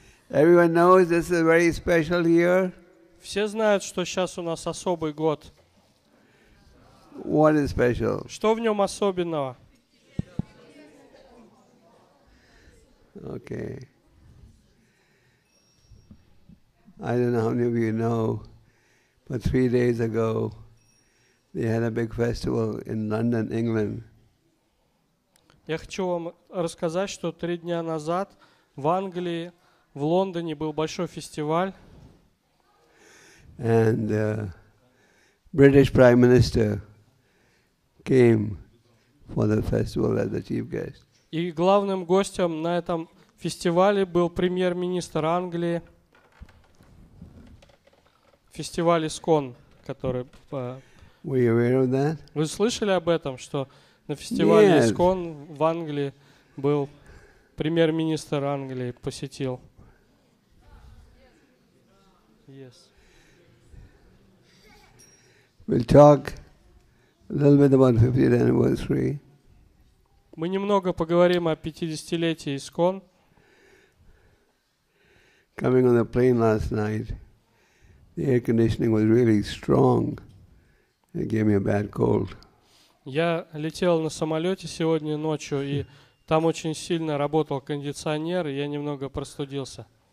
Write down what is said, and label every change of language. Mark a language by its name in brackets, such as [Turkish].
[English] Everyone knows this is a very special year. [Russian] Все знают, что сейчас у нас особый год. [English] What is special? [Russian] Что в нем особенного? [English] Okay. I don't know how many of you know, but 3 days ago, they had a big festival in London, England. [Russian] Я хочу вам рассказать, что 3 дня назад в Англии, в Лондоне был большой фестиваль. [English] And British Prime Minister came for the festival as the chief guest. [Russian] И главным гостем на этом фестивале был премьер-министр Англии. Фестиваль ИСКОН, который... [English] Were you aware of that? [Russian] Вы слышали об этом, что на фестивале [English] Yes. [Russian] ИСКОН в Англии был премьер-министр Англии, посетил? [English] Yes. We'll talk a little bit about 50th anniversary. [Russian] Мы немного поговорим о 50-летии ИСКОН. [English] Coming on the plane last night, the air conditioning was really strong. It gave me a bad cold. [Russian] Я летел на самолете сегодня ночью, и там очень сильно работал кондиционер, и я немного простудился.